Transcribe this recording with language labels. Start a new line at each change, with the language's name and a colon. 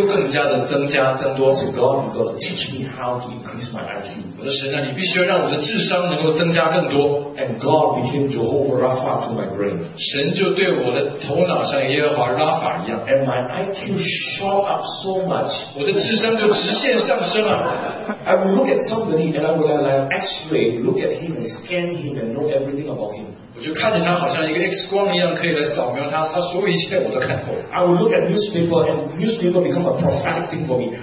Chinese: 很多年前我跟你说，神啊，怎么样可以让我的IQ更加的增加增多？
English: I said, God, you've got to teach me how to increase my IQ.
Chinese: 我说神啊，你必须要让我的智商能够增加更多。
English: And God became Jehovah Rapha to my brain.
Chinese: 神就对我的头脑像耶和华拉法一样。
English: And my IQ shot up so much.
Chinese: 我的智商就直线上升啊。
English: I would look at somebody and I would like X-ray, look at him and scan him and know everything about him.
Chinese: 我就看着他好像一个X光一样可以来扫描他，他所有一切我都看透。
English: I would look at newspaper and newspaper become a prophetic thing for me.